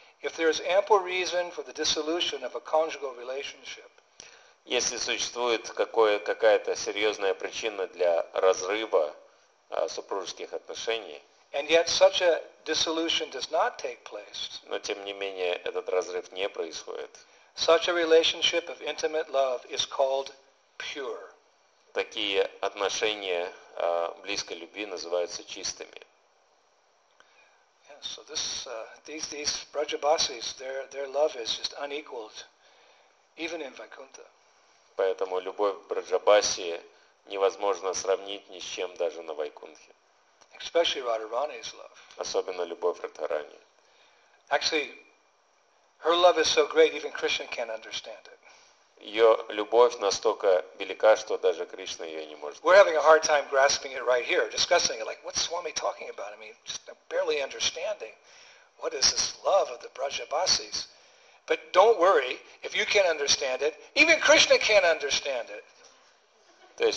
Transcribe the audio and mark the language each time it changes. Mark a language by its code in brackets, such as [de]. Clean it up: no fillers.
[en] If there is ample reason for the dissolution of a conjugal relationship, [ru] если существует какая-то серьезная причина для разрыва супружеских отношений, [en] and yet such a dissolution does not take place, [ru] но тем не менее этот разрыв не происходит, [en] such a relationship of intimate love is called pure. [ru] Такие отношения близкой любви называются чистыми. [en] Yeah, so this these Brajabasis, their love is just unequaled even in Vaikuntha. [ru] Поэтому любовь Браджабаси невозможно сравнить ни с чем даже на Вайкунтхе. [en] Especially Radharani's love. [ru] Особенно любовь Радхарани. [en] Actually, her love is so great, even Krishna can't understand it. [ru] Ее любовь настолько велика, что даже Кришна ее не может. [en] We're having a hard time grasping it right here, discussing it. Like, what's Swami talking about? I mean, just barely understanding. What is this love of the Brajabasis? But don't worry, if you can't understand it, even Krishna can't understand it.